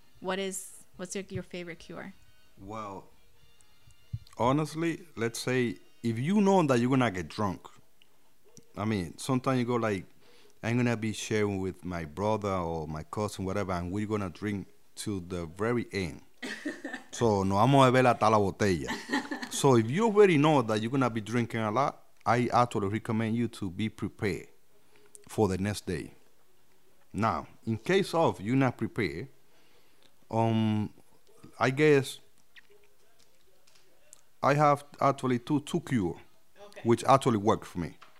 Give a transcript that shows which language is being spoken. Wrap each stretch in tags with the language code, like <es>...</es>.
<en>What's your favorite cure? Well, honestly, let's say if you know that you're going to get drunk. I mean, sometimes you go like, I'm going to be sharing with my brother or my cousin, whatever, and we're going to drink to the very end.</en> <es>So, no vamos a beber hasta la botella.</es> <en>So if you already know that you're going to be drinking a lot, I actually recommend you to be prepared for the next day. Now, in case of you're not prepared, I guess I have actually two cures, okay, which actually work for me.</en>